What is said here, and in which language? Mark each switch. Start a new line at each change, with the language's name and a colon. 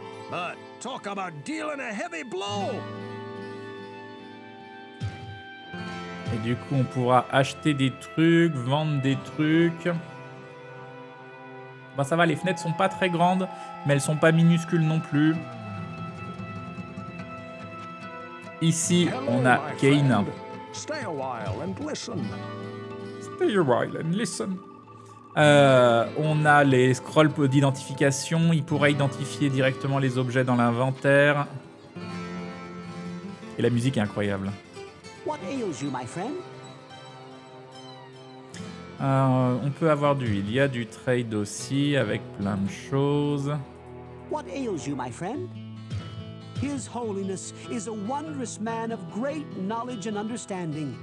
English: But talk about dealing a heavy blow.
French: Et du coup, on pourra acheter des trucs, vendre des trucs. Ben ça va, les fenêtres sont pas très grandes, mais elles sont pas minuscules non plus. Ici, on a Kane.
English: Stay a while and listen. Stay a while and listen.
French: On a les scrolls d'identification. Il pourrait identifier directement les objets dans l'inventaire. Et la musique est incroyable.
English: What ails you, my friend?
French: On peut avoir du... Il y a du trade aussi avec plein de choses.
English: What ails you, my friend? His Holiness is a wondrous man of great knowledge and understanding.